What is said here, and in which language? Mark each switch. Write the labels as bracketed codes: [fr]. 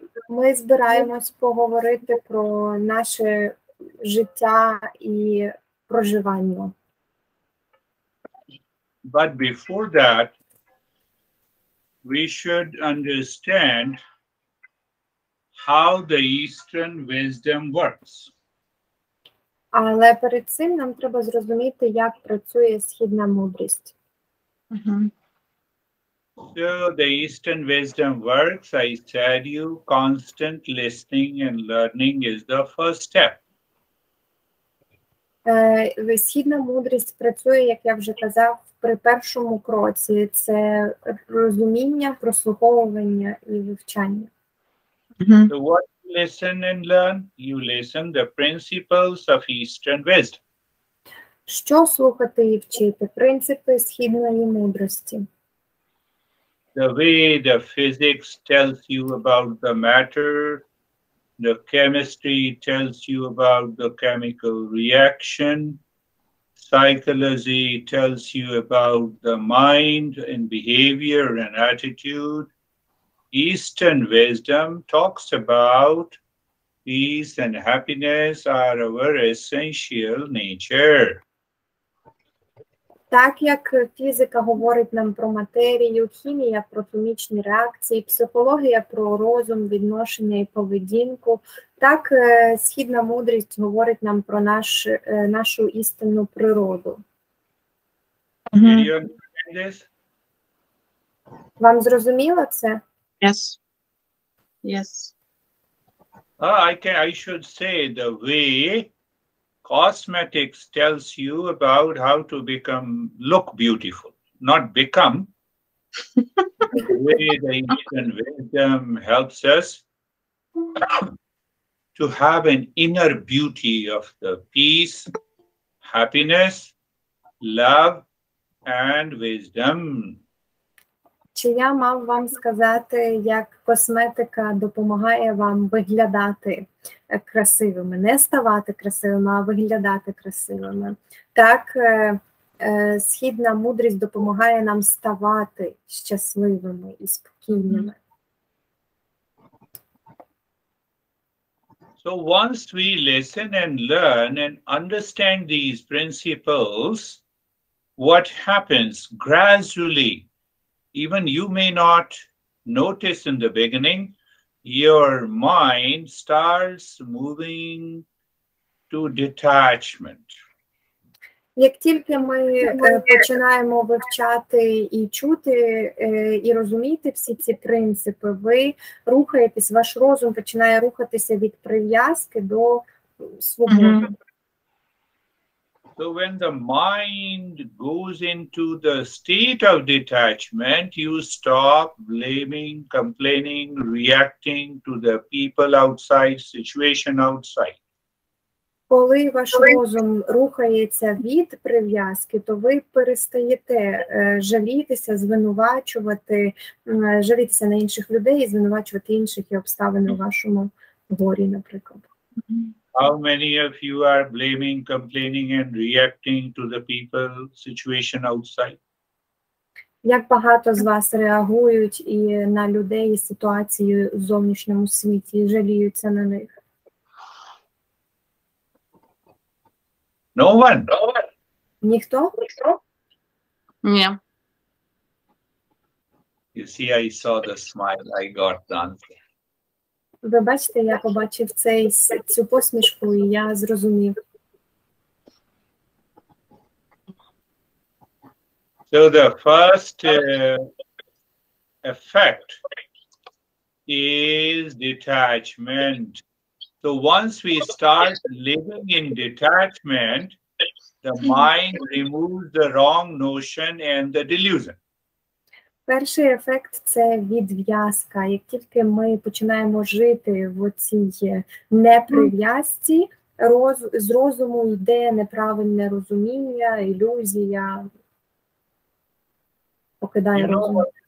[uk] Ми збираємось поговорити про наше життя і проживання. [en] But before that, we should understand how the Eastern wisdom works. [uk] Але перед цим нам треба зрозуміти, як працює східна мудрість. [en] So the Eastern wisdom works, I said you, constant listening and learning is the first step. [uk] Східна мудрість працює, як я вже казав, при першому кроці. Це розуміння, прослуховування і вивчання. [en] So what you listen and learn? You listen the principles of Eastern wisdom. [uk] Що слухати і вчити? Принципи східної мудрості. [en] The way the physics tells you about the matter, the chemistry tells you about the chemical reaction, psychology tells you about the mind and behavior and attitude. Eastern wisdom talks about peace and happiness are our essential nature. [uk] Так як фізика говорить нам про матерію, хімія про хімічні реакції, психологія про розум, відношення і поведінку, так східна мудрість говорить нам про нашу істинну природу. Вам зрозуміло це? [en] Yes. Yes. I should say the way cosmetics tells you about how to become, look beautiful, not become. The way the Eastern wisdom helps us to have an inner beauty of the peace, happiness, love, and wisdom. [uk] Чи я мав вам сказати, як косметика допомагає вам виглядати красивими, не ставати красивими, а виглядати красивими? Так, східна мудрість допомагає нам ставати щасливими і спокійними. [en] So once we listen and learn and understand these principles, what happens gradually? Even you may not notice in the beginning, your mind starts moving to detachment. [uk] Як тільки ми починаємо вивчати і чути, і розуміти всі ці принципи, ви рухаєтесь, ваш розум починає рухатися від прив'язки до свободи. [en] So when the mind goes into the state of detachment, you stop blaming, complaining, reacting to the people outside, situation outside. [uk] Коли ваш розум рухається від прив'язки, то ви перестаєте жалітися, звинувачувати, жалітися на інших людей і звинувачувати інших і обставини в вашому горі, наприклад. [en] How many of you are blaming, complaining, and reacting to the people, situation outside? [uk] Як багато з вас реагують і на людей, і ситуацію в зовнішньому світі, і жаліються на них? [en] No one. [uk] Ніхто? Ні. [en] You see, I saw the smile, I got the answer. [uk] Ви бачите, я побачив цю посмішку, і я зрозумів. [en] So the first effect is detachment. So once we start living in detachment, the mind removes the wrong notion and the delusion. [uk] Перший ефект – це відв'язка. Як тільки ми починаємо жити в цій неприв'язці, з розуму йде неправильне розуміння, ілюзія, покидає розум.